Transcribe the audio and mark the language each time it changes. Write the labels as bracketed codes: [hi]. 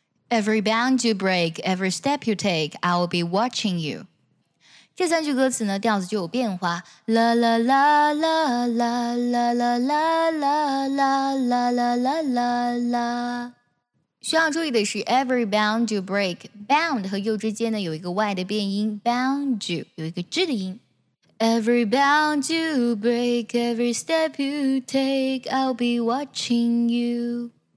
[en] Every bound you break, every step you take, I will be watching you. [zh] 这三句歌词呢，调子就有变化。啦啦啦啦啦啦啦啦啦啦啦啦啦啦啦。需要注意的是 ， [en] every bound you break, [zh] bound 和 you 之间呢有一个 y 的变音 ，bound you 有一个 z 的音。 [en] Every bound you break, every step you take, I'll be watching you.